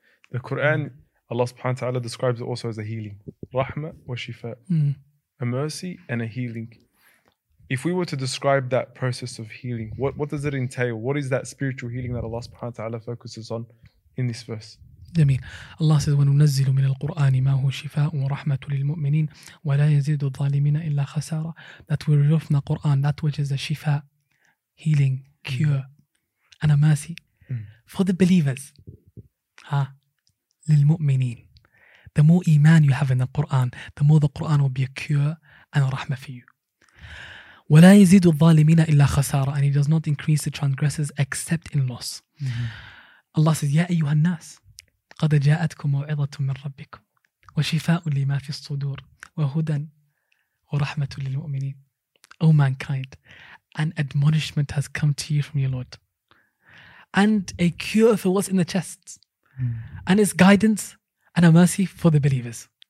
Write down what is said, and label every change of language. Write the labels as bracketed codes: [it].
[en] the Quran, Allah subhanahu wa ta'ala describes it also as a healing. [ar] Rahma wa shifa. [en] A mercy and a healing. If we were to describe that process of healing, what does it entail? What is that spiritual healing that Allah subhanahu wa ta'ala focuses on in this verse? [ar] جميل. الله [en] says, [ar] وننزل من القرآن ما هو شفاء ورحمة للمؤمنين ولا يزيد الظالمين إلا خسارة. [en] That we reveal from the Quran that which is a shifa, healing, cure, and a mercy for the believers. [ar] للمؤمنين. [en] The more iman you have in the Quran, the more the Quran will be a cure and a rahmah for you. [ar] ولا يزيد الظالمين إلا خسارة. [en] And it does not increase the transgressors except in loss. [ar] Allah [en] says, [ar] يا أيها الناس قَدَ جَاءَتْكُمْ مَوْعِظَةٌ مِّنْ رَبِّكُمْ وَشِفَاءٌ لِمَا فِي الصُّدُورِ وَهُدًى وَرَحْمَةٌ لِلْمُؤْمِنِينَ. [en] O mankind, an admonishment has come to you from your Lord, and a cure for what's in the chests, and it's guidance and a mercy for the believers.